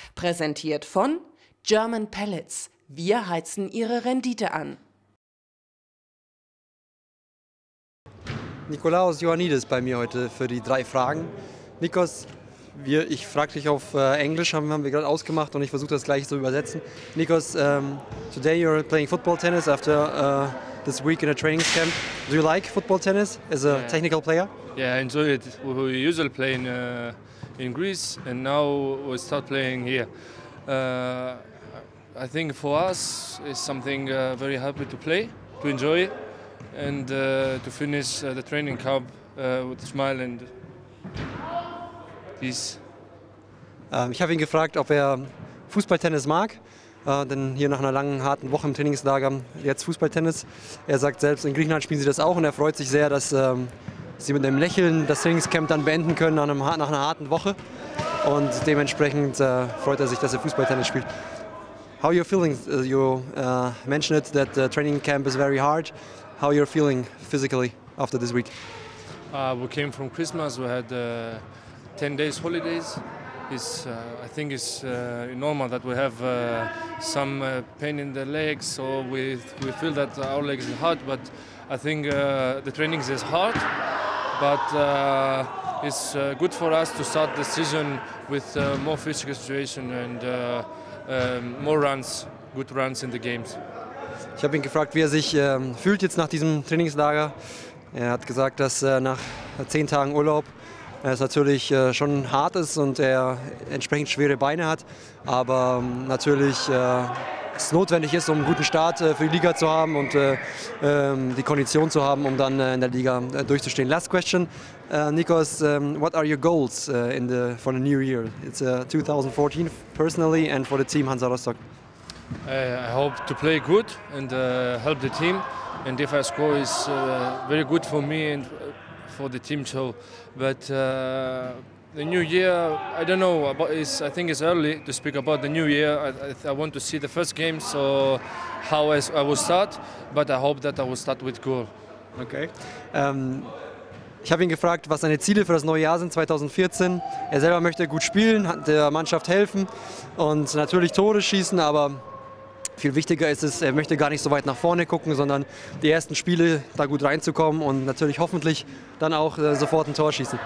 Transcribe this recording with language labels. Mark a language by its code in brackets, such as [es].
[de] Präsentiert von German Pellets. Wir heizen Ihre Rendite an. Nikolaos Ioannidis bei mir heute für die drei Fragen. Nikos, ich frage dich auf Englisch, haben wir gerade ausgemacht und ich versuche das gleich zu übersetzen. [en] Nikos, today you're playing football tennis after this week in a training camp. Do you like football tennis as a technical player? Yeah, I enjoy it. We usually play in Greece and now we start playing here. I think for us it's something very happy to play, to enjoy it. And to finish the training camp with a smile and peace. [de] Ich habe ihn gefragt, ob er Fußballtennis mag, denn hier nach einer langen, harten Woche im Trainingslager jetzt Fußballtennis. Er sagt selbst, in Griechenland spielen sie das auch und er freut sich sehr, dass sie mit einem Lächeln das Trainingscamp dann beenden können nach einer harten Woche. Und dementsprechend freut er sich, dass er Fußballtennis spielt. [en] How are you feeling? You mentioned it that the training camp is very hard. How you're feeling physically after this week? We came from Christmas. We had 10 days holidays. I think it's normal that we have some pain in the legs, or we feel that our legs are hard. But I think the training is hard. But it's good for us to start the season with more physical situation and more runs, good runs in the games. [de] Ich habe ihn gefragt, wie er sich fühlt jetzt nach diesem Trainingslager. Er hat gesagt, dass nach 10 Tagen Urlaub es natürlich schon hart ist und er entsprechend schwere Beine hat. Aber natürlich es notwendig ist, um einen guten Start für die Liga zu haben und die Kondition zu haben, um dann in der Liga durchzustehen. [en] Last question, Nikos, what are your goals for the new year? It's 2014 personally and for the team Hansa Rostock. I hope to play good and help the team, and if I score is very good for me and for the team too. But the new year, I don't know, I think it's early to speak about the new year. I want to see the first game, so how I will start, but I hope that I will start with goal. Okay. [de] Ich habe ihn gefragt, was seine Ziele für das neue Jahr sind, 2014. Er selber möchte gut spielen, der Mannschaft helfen und natürlich Tore schießen, aber viel wichtiger ist es, er möchte gar nicht so weit nach vorne gucken, sondern die ersten Spiele da gut reinzukommen und natürlich hoffentlich dann auch sofort ein Tor schießen.